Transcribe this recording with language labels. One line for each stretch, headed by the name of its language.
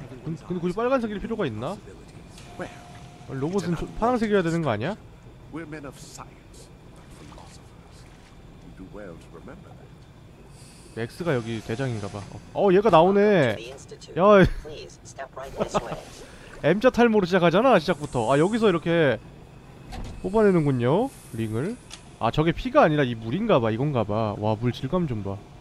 Korean: 근데 굳이 빨간색일 필요가 있나? 로봇은 파란색이어야 되는 거 아니야?
English: We're men of science, philosophers. You do well to remember that.
Korean: 맥스가 여기 대장인가 봐. 어, 얘가 나오네. 야. M자 탈모로 시작하잖아, 시작부터. 아, 여기서 이렇게 뽑아내는군요. 링을. 아, 저게 피가 아니라 이 물인가 봐. 이건가 봐. 와, 물 질감 좀 봐.